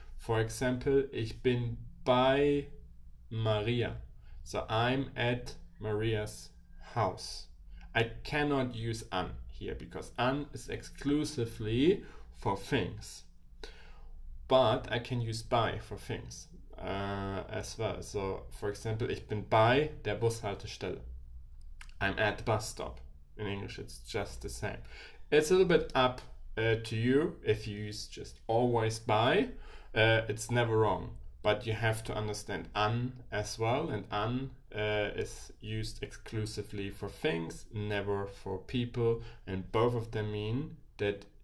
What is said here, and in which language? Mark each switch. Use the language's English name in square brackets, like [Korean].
[English] For example, [German] ich bin bei Maria. [English] So I'm at Maria's house. I cannot use an here because an is exclusively for things. But I can use by for things as well. So for example, [German] ich bin bei der Bushaltestelle. [English] I'm at the bus stop. In English, it's just the same. It's a little bit up to you if you use just always by. It's never wrong. But you have to understand an as well, and an is used exclusively for things, never for people, and both of them mean that